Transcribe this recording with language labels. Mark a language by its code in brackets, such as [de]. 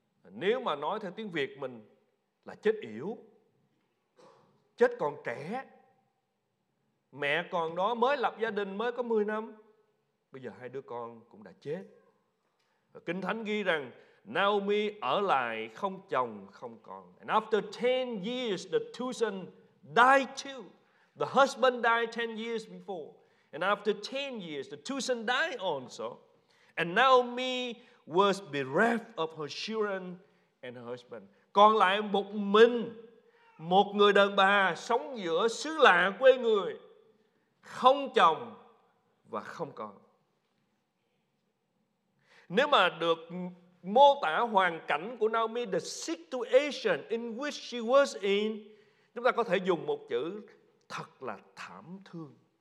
[vi] Nếu mà nói theo tiếng Việt mình là chết yểu, chết còn trẻ, mẹ con đó mới lập gia đình mới có 10 năm, bây giờ hai đứa con cũng đã chết. Kinh Thánh ghi rằng Naomi ở lại không chồng, không con. [en] And after 10 years, the two sons died too. The husband died 10 years before. And after 10 years, the two sons died also. And Naomi was bereft of her children and her husband. [vi] Còn lại một mình, một người đàn bà sống giữa xứ lạ quê người, không chồng và không con. Nếu mà được mô tả hoàn cảnh của Naomi, [en] the situation in which she was in, [vi] chúng ta có thể dùng một chữ thật là thảm thương.